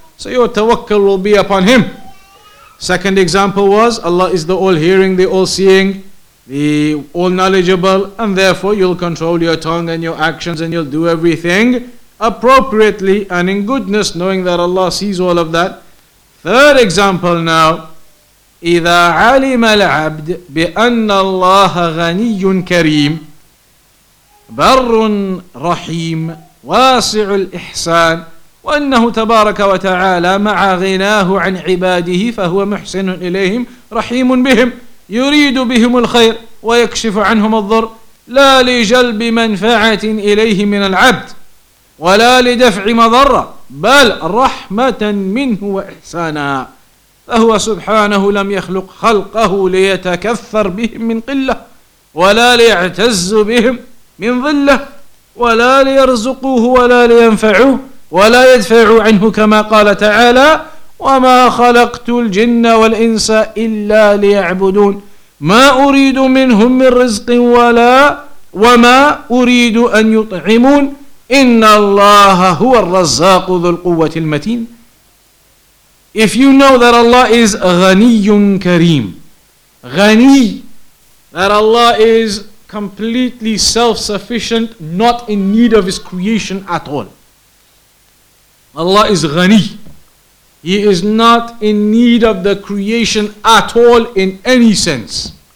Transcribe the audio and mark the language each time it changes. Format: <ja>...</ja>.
<en>So your tawakkul will be upon Him. Second example was Allah is the all-hearing, the all-seeing, the all-knowledgeable, and therefore you'll control your tongue and your actions and you'll do everything appropriately and in goodness, knowing that Allah sees all of that. Third example now,</en> <ar>إِذَا عَلِمَ الْعَبْدِ بِأَنَّ اللَّهَ غَنِيٌّ كَرِيمٌ بَرٌّ رَحِيمٌ وَاسِعُ الْإِحْسَانِ وَأَنَّهُ تَبَارَكَ وَتَعَالَى مَعَ غِنَاهُ عَنْ عِبَادِهِ فَهُوَ مُحْسِنٌ إِلَيْهِمْ رَحِيمٌ بِهِمْ يُرِيدُ بِهِمُ الْخَيْرِ وَيَكْشِفُ عَنْهُمُ الضُّرِّ لَا لِجَلْبِ مَنْفَعَةٍ إِلَيْهِ مِنَ الْعَبْدِ وَلَا لِدَفْعِ مَضَرَّةٍ بَلْ رَحْمَةً مِنْهُ وَإِحْسَانًا فهو سبحانه لم يخلق خلقه ليتكثر بهم من قلة ولا ليعتز بهم من ظلة ولا ليرزقوه ولا لينفعوه ولا يدفعوا عنه كما قال تعالى وما خلقت الجن والإنس إلا ليعبدون ما أريد منهم من رزق ولا وما أريد أن يطعمون إن الله هو الرزاق ذو القوة المتين.</ar> <en>If you know that Allah is Ghaniyun Kareem, Ghani, that Allah is completely self-sufficient, not in need of His creation at all. Allah is Ghani. He is not in need of the creation at all in any sense.</en>